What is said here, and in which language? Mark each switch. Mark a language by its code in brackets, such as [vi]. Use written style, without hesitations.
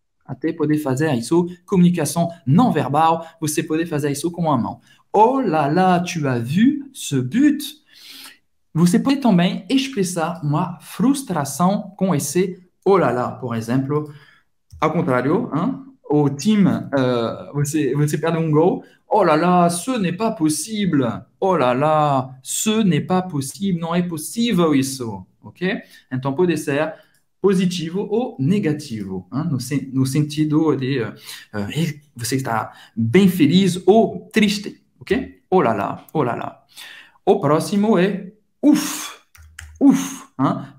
[pt] Até poder fazer isso, comunicação não verbal, você poder fazer isso com a mão. [fr] Oh là là, tu as vu ce but? [pt] Você pode também expressar uma frustração com esse oh là là, por exemplo. Ao contrário, hein? O time, você perde um gol. [fr] Oh là là, ce n'est pas possible. Oh là là, ce n'est pas possible. [pt] Não é possível isso. Ok? Então pode ser positivo ou negativo, hein? No sentido de você está bem feliz ou triste, ok? Oh là là, oh là là. O próximo é ouf, ouf, hein?